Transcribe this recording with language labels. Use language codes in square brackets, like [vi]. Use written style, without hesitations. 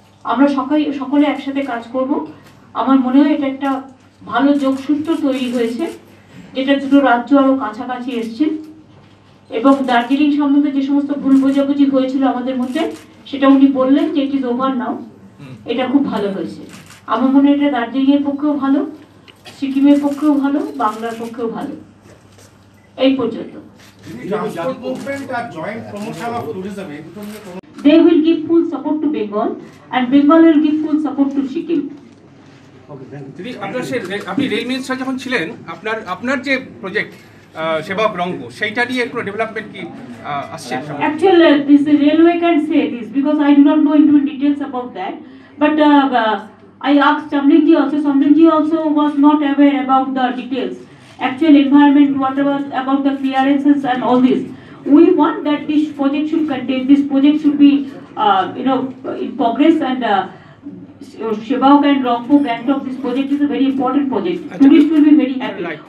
[bn] আমরা সকলে একসাথে কাজ করব। আমার মনে হয় এটা একটা ভালো যোগসূত্র তৈরি হয়েছে যেটা দুটো রাজ্য আরও কাছাকাছি এসছে এবং দার্জিলিং সম্বন্ধে যে সমস্ত ভুল বোঝাবুঝি হয়েছিল আমাদের মধ্যে সেটা উনি বললেন যে [en] it is over now, [bn] এটা খুব ভালো হয়েছে। আমার মনে হয় এটা দার্জিলিংয়ের পক্ষেও ভালো, সিকিমের পক্ষেও ভালো, বাংলার পক্ষেও ভালো। এই পর্যন্ত। [en] They will give full support to Bengal and Bengal will give full support to Sikkim. [bn] যদি আপনার সে আপনি রেল মিনিস্টার যখন ছিলেন আপনার আপনার যে প্রজেক্ট সেবক রঙ্গ সেইটা নিয়ে একটু ডেভেলপমেন্ট কি আসছে? [en] Actually this the railway can say this because I do not know into details about that but I asked Chamlingji also, Chamlingji also was not aware about the details. Actual environment, whatever about the clearances and all this. We want that this project should contain, this project should be you know in progress and Shebaug and Rongpo Gangtok, this project is a very important project. Tourists will be very happy. Right.